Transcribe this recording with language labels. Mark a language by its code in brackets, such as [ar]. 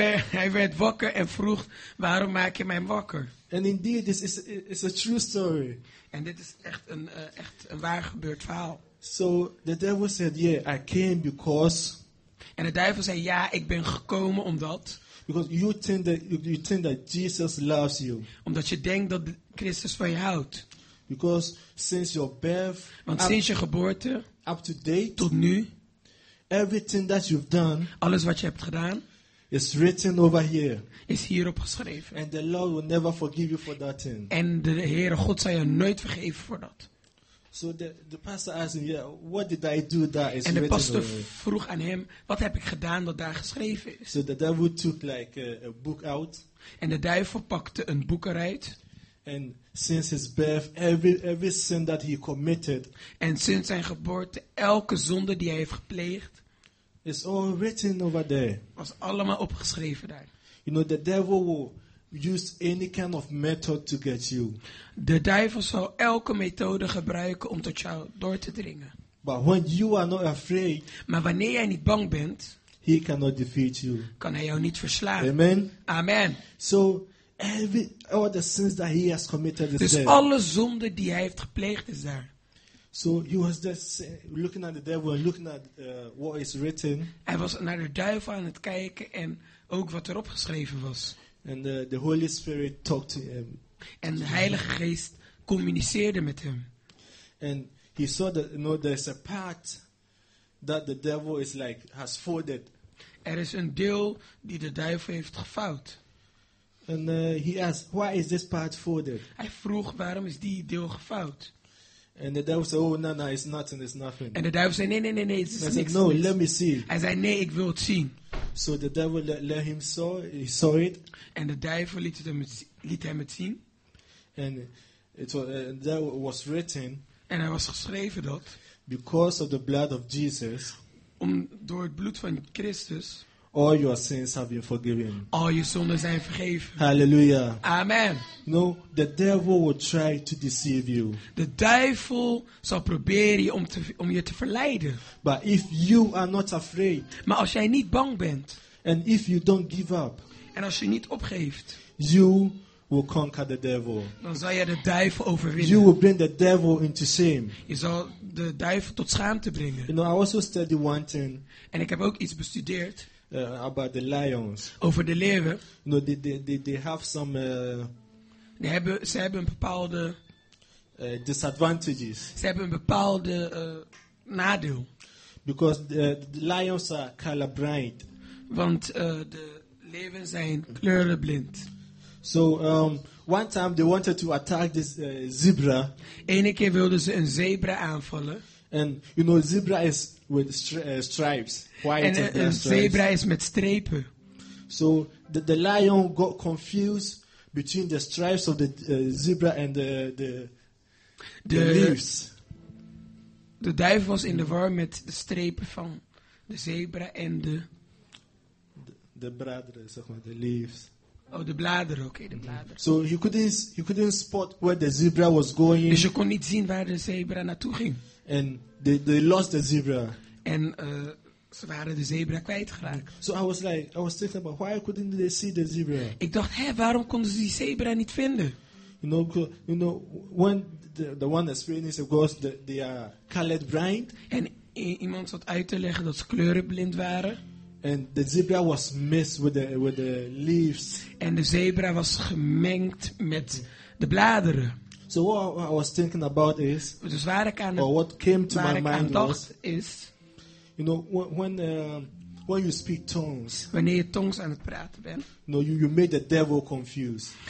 [nl] Hij werd wakker en vroeg, "Waarom maak je mij wakker?" [en] And indeed, this is it's a true story. [nl] En dit is echt een waar gebeurd verhaal. [en] So the devil said, "Yeah, I came because." [nl] En de duivel zei, ja, ik ben gekomen omdat. [en] Because you think that Jesus loves you. [nl] Omdat je denkt dat Christus van je houdt. [en] Because since your birth. [nl] Want sinds je geboorte. [en] Up to date. [nl] Tot nu. [en] Everything that you've done. [nl] Alles wat je hebt gedaan. [en] Is written over here. [nl] Is hierop geschreven. [en] And the Lord will never forgive you for that thing. [nl] En de Heere God zal je nooit vergeven voor dat. [en] So the pastor asked him, "Yeah, what did I do that is [nl] en de pastor vroeg aan hem, wat heb ik gedaan dat daar geschreven is? [en] So the devil took like a book out. [nl] En de duivel pakte een boek eruit. [en] And since his birth, every sin that he committed. [nl] En sinds zijn geboorte, elke zonde die hij heeft gepleegd. [en] Is all written over there. [nl] Was allemaal opgeschreven daar. [en] You know, the devil will use any kind of method to get you. [nl] De duivel zal elke methode gebruiken om tot jou door te dringen. [en] But when you are not afraid, [nl] maar wanneer jij niet bang bent, [en] he cannot defeat you. [nl] Kan hij jou niet verslaan. [en] Amen. Amen. So all the sins that he has committed is [nl] dus [en] there. [nl] Dus alle zonden die hij heeft gepleegd is daar. [en] So he was just looking at the devil and looking at what is written. [nl] Hij was naar de duivel aan het kijken en ook wat erop geschreven was. [en] And the Holy Spirit talked to him. [nl] En de Heilige Geest communiceerde met hem. [en] And he saw that, you know, there's a part that the devil is like has folded. [nl] Er is een deel die de duivel heeft gevouwd. [en] And he asked, "Why is this part folded?" [nl] Hij vroeg, waarom is die deel gevouwd? [en] And the devil said, "Oh, no, it's nothing, it's nothing." [nl] En de duivel zei, nee, het is niks. [en] He said, "No, let me see." [nl] Hij zei, nee, ik wil het zien. [en] So the devil let him saw, he saw it. [nl] En de duivel liet hem het zien. [en] And it was, there was written. [nl] En er was geschreven dat. [en] Because of the blood of Jesus. [nl] Om door het bloed van Christus. [en] All your sins have been forgiven. [nl] Al je zonden zijn vergeven. [en] Hallelujah. Amen. No, the devil will try to deceive you. [nl] De duivel zal proberen je om je te verleiden. [en] But if you are not afraid. [nl] Maar als jij niet bang bent. [en] And if you don't give up. [nl] En als je niet opgeeft. [en] You will conquer the devil. [nl] Dan zal je de duivel overwinnen. [en] You will bring the devil into shame. [nl] Je zal de duivel tot schaamte brengen. [en] You know, I also studied one thing. [nl] En ik heb ook iets bestudeerd. [en] About the lions. [nl] Over de leeuwen. [en] No, they have some. [nl] Ze hebben bepaalde [en] disadvantages. [nl] Ze hebben een bepaalde nadeel. [en] Because the lions are colorblind. [nl] Want de leeuwen zijn kleurenblind. [en] So one time they wanted to attack this zebra. [nl] Ene keer wilden ze een zebra aanvallen. [en] And you know, zebra is with stripes. White [nl] en een zebra is met strepen. [en] So the lion got confused between the stripes of the zebra and the leaves. [nl] De duif was in de war met de strepen van de zebra en de bladeren, zeg maar, de leaves. Oh, de bladeren, oké, de bladeren. [en] So he couldn't spot where the zebra was going. [nl] Dus je kon niet zien waar de zebra naartoe ging. [en] And they lost the zebra. [nl] En ze waren de zebra kwijtgeraakt. [en] So I was thinking about why couldn't they see the zebra? [nl] Ik dacht, hé, waarom konden ze die zebra niet vinden? [en] You know, when the one explaining is, of course, they are colored blind. [nl] En iemand zat uit te leggen dat ze kleurenblind waren. [en] And the zebra was mixed with the leaves. [nl] En de zebra was gemengd met de bladeren. [en] So what I was thinking about is, [nl] dus waar ik aan, [en] or what came to my mind was, [nl] is, [en] you know, when you speak tongues, [nl] wanneer je tongs aan het praten bent, [en] you make the devil confused.